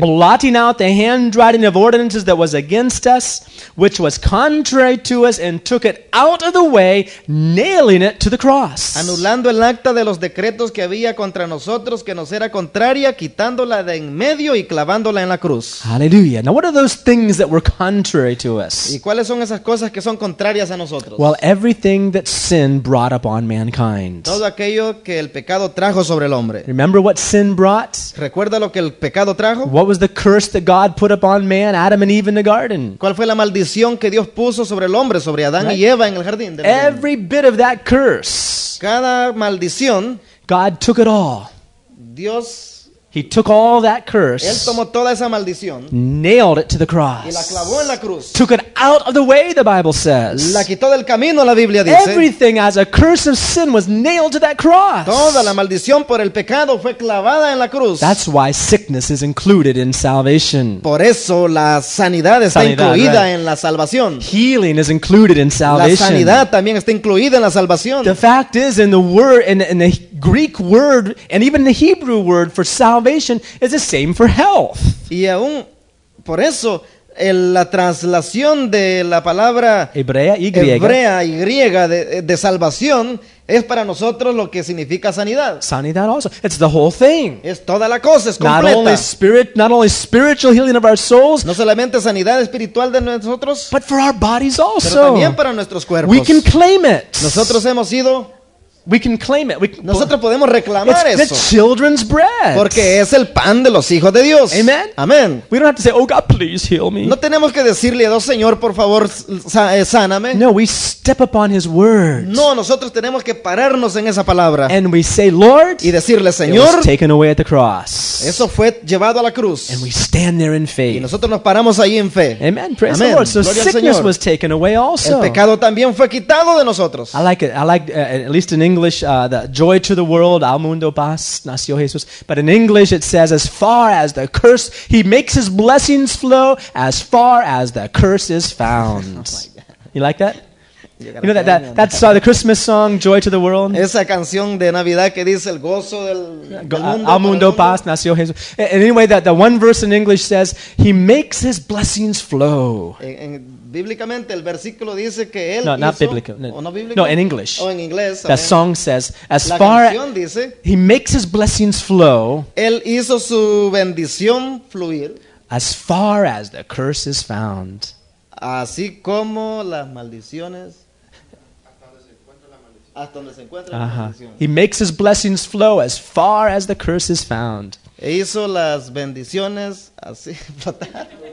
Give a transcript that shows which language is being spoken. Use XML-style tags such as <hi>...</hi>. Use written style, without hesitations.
<en>Blotting out the handwriting of ordinances that was against us, which was contrary to us, and took it out of the way, nailing it to the cross.</en> <es>Anulando el acta de los decretos que había contra nosotros, que nos era contraria, quitándola de en medio y clavando en la cruz.</es> <en>Hallelujah. Now, what are those things that were contrary to us?</en> <es>¿Y cuáles son esas cosas que son contrarias a nosotros?</es> <en>Well, everything that sin brought upon mankind.</en> <es>Todo aquello que el pecado trajo sobre el hombre.</es> <en>Remember what sin brought?</en> <es>¿Recuerda lo que el pecado trajo?</es> <en>What was the curse that God put upon man, Adam and Eve in the garden?</en> <es>¿Cuál fue la maldición que Dios puso sobre el hombre, sobre Adán y Eva en el jardín?</es> <en>Every bit of that curse.</en> <es>Cada maldición.</es> <en>God took it all.</en> <es>Dios.</es> <en>He took all that curse.</en> <es>Él tomó toda esa maldición.</es> <en>Nailed it to the cross.</en> <es>Y la clavó en la cruz.</es> <en>Took it out of the way, the Bible says.</en> <es>La quitó del camino, la Biblia dice.</es> <en>Everything as a curse of sin was nailed to that cross.</en> <es>Toda la maldición por el pecado fue clavada en la cruz.</es> <en>That's why sickness is included in salvation.</en> <es>Por eso la sanidad está incluida en la salvación.</es> <en>Healing is included in salvation.</en> <es>La sanidad también está incluida en la salvación.</es> <en>The fact is in the word in the Greek word and even the Hebrew word for salvation is the same for health.</en> <es>Y aún por eso la traslación de la palabra hebrea y griega de salvación es para nosotros lo que significa sanidad.</es> <en>Sanidad also. It's the whole thing.</en> <es>Es toda la cosa, es completa.</es> <en>Not only spiritual healing of our souls.</en> <es>No solamente sanidad espiritual de nosotros,</es> <en>but for our bodies also.</en> <es>Pero también para nuestros cuerpos.</es> <en>We can claim it.</en> <es>Nosotros hemos sido</es> <en>We can claim it.</en> <es>Nosotros podemos reclamar eso.</es> <en>It's the children's bread.</en> <es>Porque es el pan de los hijos de Dios.</es> <en>Amen. Amen. We don't have to say, "Oh God, please heal me."</en> <es>No tenemos que decirle a Dios, "Señor, por favor, sáname."</es> <en>No, we step upon his word.</en> <es>No, nosotros tenemos que pararnos en esa palabra.</es> <en>And we say, "Lord,"</en> <es>y decirle, "Señor."</es> <en>It was taken away at the cross.</en> <es>Eso fue llevado a la cruz.</es> <en>And we stand there in faith.</en> <es>Y nosotros nos paramos ahí en fe.</es> <en>Amen. Praise Amen. The Lord. So</en> <es>Gloria</es> <en>sickness</en> <es>Señor.</es> <en>Was taken away also.</en> <es>El pecado también fue quitado de nosotros.</es> <en>I like it. I like at least in English, the joy to the world,</en> <es>al mundo paz, nació Jesús.</es> <en>But in English it says, as far as the curse, he makes his blessings flow, as far as the curse is found. You like that? You know that's the Christmas song, Joy to the World?</en> <es>Esa canción de Navidad que dice el gozo del mundo. Al mundo paz, nació Jesús.</es> <en>Anyway, that the one verse in English says, he makes his blessings flow.</en> <es>Bíblicamente el versículo dice que él no, hizo,</es> <en>not biblical.</en> <es>No, no,</es> <en>biblical. No, in English.</en> <es>Oh, en inglés.</es> <en>The song says, as far</en> <es>dice,</es> <en>he makes his blessings flow.</en> <es>Él hizo su bendición fluir.</es> <en>As far as the curse is found.</en> <es>Así como las maldiciones. Hasta donde se encuentra la maldición.</es> <en>He makes his blessings flow as far as the curse is found.</en> <es>E hizo las bendiciones así flotar.</es>